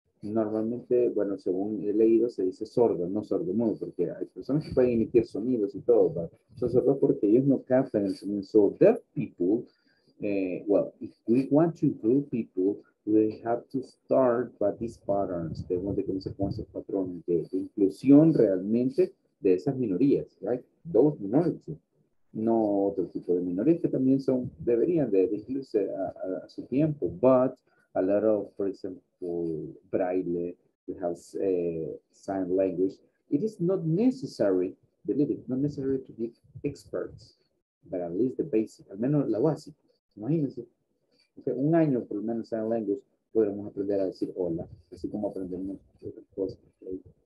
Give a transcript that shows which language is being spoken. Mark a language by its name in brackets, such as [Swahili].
[Spanish] Normalmente, bueno, según he leído, se dice sordo, no sordo mudo, porque hay personas que pueden emitir sonidos y todo, pero son sordos porque ellos no captan el sonido. [English] So, deaf people, well, if we want to include people, we have to start by these patterns. [Spanish] Tenemos que comenzar con esos patrones de inclusión realmente de esas minorías, right? [English] Those minorities. [Spanish] No otro tipo de minorías que también son, deberían de incluirse a su tiempo, [English] but a lot of, for example, braille, we have sign language. It is not necessary, believe it, not necessary to be experts, but at least the basic, [Spanish] al menos la básica. Imagínense, okay, un año por lo menos sign language, podremos aprender a decir hola, así como aprendemos otras cosas, okay?